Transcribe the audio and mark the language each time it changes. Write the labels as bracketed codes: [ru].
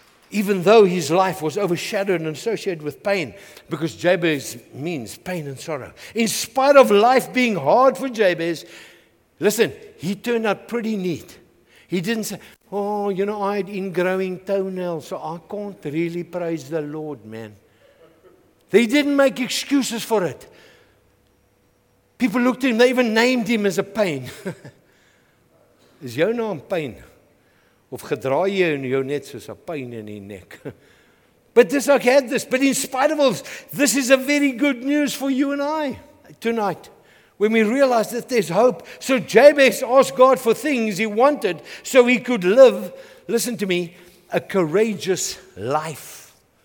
[en] Even though his life was overshadowed and associated with pain, because Jabez means pain and sorrow, in spite of life being hard for Jabez, listen, he turned out pretty neat. He didn't say, oh, you know, I had ingrowing toenails, so I can't really praise the Lord, man. They didn't make excuses for it. People looked at him, they even named him as a pain. [af] Is jou naam pain? Of gedraai jy in jou net soos [en] a pain [af] in die nek? [en] But this, I had this, but in spite of all, this is a very good news for you and I tonight. When we realize that there's hope. So Jabez asked God for things he wanted so he could live, listen to me, a courageous life.